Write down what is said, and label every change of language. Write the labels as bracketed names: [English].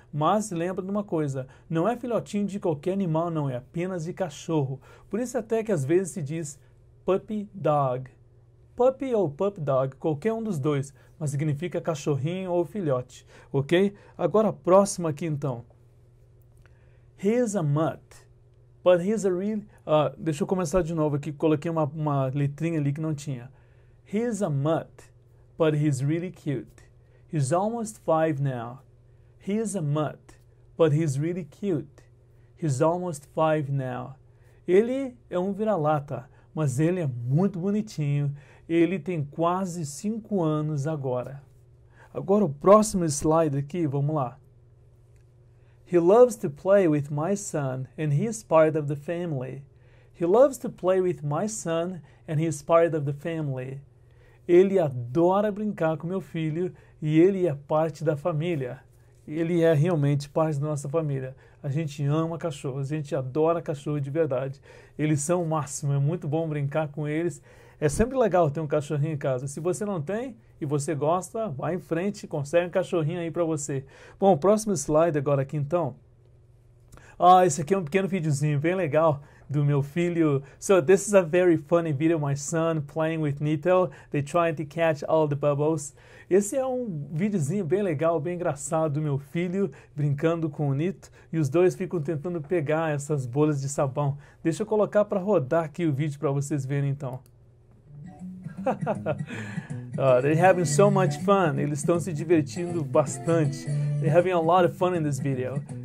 [Portuguese] Mas lembra de uma coisa, não é filhotinho de qualquer animal, não, é apenas de cachorro. Por isso até que às vezes se diz puppy dog. Puppy ou pup dog, qualquer um dos dois, mas significa cachorrinho ou filhote. Ok? Agora a próxima aqui, então. [English] He is a mutt, but he is a really... [Portuguese] deixa eu começar de novo aqui, coloquei uma letrinha ali que não tinha. [English] He is a mutt, but he is really cute. He's almost five now. He is a mutt, but he is really cute. He's almost five now. [Portuguese] Ele é um vira-lata, mas ele é muito bonitinho. Ele tem quase 5 anos agora. Agora o próximo slide aqui, vamos lá. [English] He loves to play with my son, and he is part of the family. He loves to play with my son, and he is part of the family. [Portuguese] Ele adora brincar com meu filho, e ele é parte da família. Ele é realmente parte da nossa família. A gente ama cachorros, a gente adora cachorro de verdade. Eles são o máximo, é muito bom brincar com eles. É sempre legal ter um cachorrinho em casa. Se você não tem e você gosta, vai em frente, consegue um cachorrinho aí para você. Bom, próximo slide agora aqui então. Ah, esse aqui é um pequeno videozinho bem legal do meu filho. [English] So, this is a very funny video, my son playing with Nito. They trying to catch all the bubbles. [Portuguese] Esse é um videozinho bem legal, bem engraçado do meu filho brincando com o Nito. E os dois ficam tentando pegar essas bolas de sabão. Deixa eu colocar para rodar aqui o vídeo para vocês verem então. [English] they're having so much fun. [Portuguese] Eles estão se divertindo bastante. [English] They're having a lot of fun in this video.